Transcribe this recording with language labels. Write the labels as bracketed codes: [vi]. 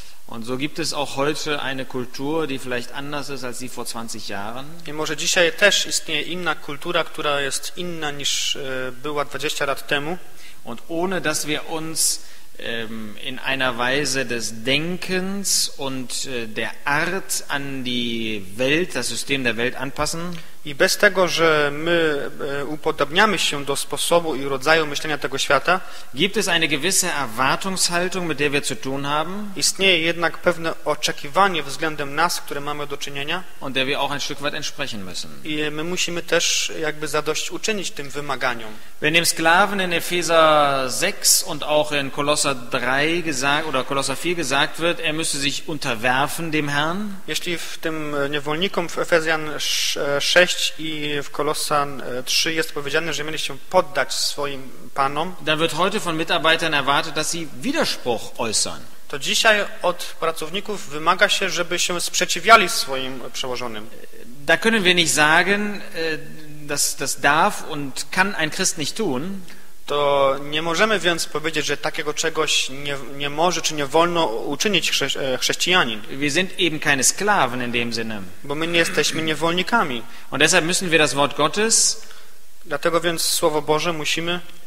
[de] Und so gibt es auch heute eine Kultur, die vielleicht anders ist als die vor 20 Jahren. [pl] I może dzisiaj też istnieje inna kultura, która jest inna niż była 20 lat temu. [de] Und ohne dass wir uns in einer Weise des Denkens und der Art an die Welt, das System der Welt anpassen. [pl] I bez tego, że my upodabniamy się do sposobu i rodzaju myślenia tego świata, [de] gibt es eine gewisse Erwartungshaltung, mit der wir zu tun haben, [pl] istnieje jednak pewne oczekiwanie względem nas, które mamy do czynienia, [de] und der wir auch ein Stück weit entsprechen müssen. [pl] I my musimy też jakby zadośćuczynić tym wymaganiom. [de] Wenn dem Sklaven in Epheser 6 und auch in Kolosser 3 gesagt oder Kolosser 4 gesagt wird, er müsse sich unterwerfen dem Herrn, [pl] jeśli w tym niewolnikom w Efezjan 6 i w Kolosan 3 jest powiedziane, że mieli się poddać swoim panom. [de] Dann wird heute von Mitarbeitern erwartet, dass sie Widerspruch äußern. [pl] To dzisiaj od pracowników wymaga się, żeby się sprzeciwiali swoim przełożonym. [de] Da können wir nicht sagen, dass das darf und kann ein Christ nicht tun. [pl] To nie możemy więc powiedzieć, że takiego czegoś nie może czy nie wolno uczynić chrześcijanin. [de] Wir sind eben keine Sklaven in dem Sinne. [pl] Bo my nie jesteśmy niewolnikami. [de] Und deshalb müssen wir das Wort Gottes, [pl] dlatego więc Słowo Boże musimy